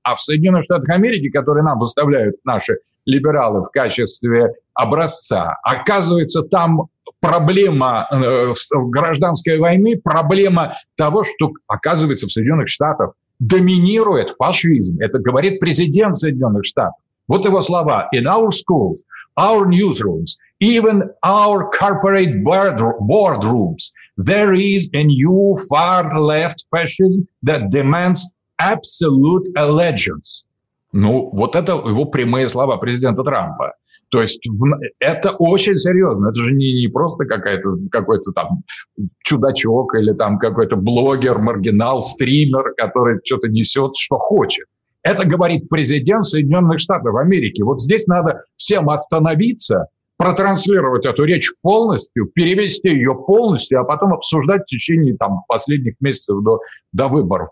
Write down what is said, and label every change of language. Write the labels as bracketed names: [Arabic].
[Russian] А в Соединенных Штатах Америки, которые нам выставляют наши либералы в качестве образца, оказывается, там проблема гражданской войны, проблема того, что, оказывается, в Соединенных Штатах доминирует фашизм». Это говорит президент Соединенных Штатов. Вот его слова. [English] «In our schools, our newsrooms, even our corporate boardrooms, there is a new far-left fascism that demands absolute allegiance». [Russian] Ну, вот это его прямые слова, президента Трампа. То есть это очень серьезно. Это же не просто какой-то там чудачок или там какой-то блогер, маргинал, стример, который что-то несет, что хочет. Это говорит президент Соединенных Штатов Америки. Вот здесь надо всем остановиться, протранслировать эту речь полностью, перевести ее полностью, а потом обсуждать в течение там, последних месяцев до выборов.